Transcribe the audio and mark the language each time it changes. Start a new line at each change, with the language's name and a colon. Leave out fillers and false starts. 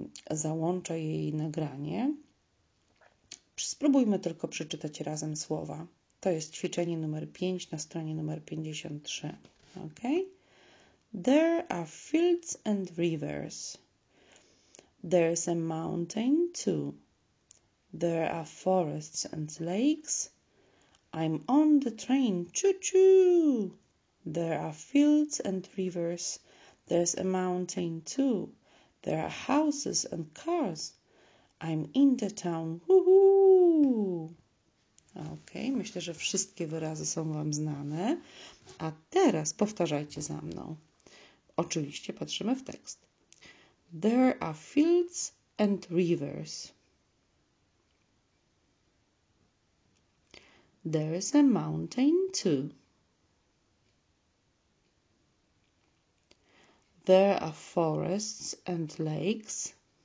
Polish: Załączę jej nagranie. Spróbujmy tylko przeczytać razem słowa. To jest ćwiczenie numer 5 na stronie numer 53.
English: Okay? There are fields and rivers. There's a mountain too. There are forests and lakes. I'm on the train. Choo-choo! There are fields and rivers. There's a mountain too. There are houses and cars. I'm in the town. Woohoo!
Polish: Okay, myślę, że wszystkie wyrazy są Wam znane. A teraz powtarzajcie za mną. Oczywiście patrzymy w tekst.
English: There are fields and rivers. There is a mountain too. There are forests and lakes.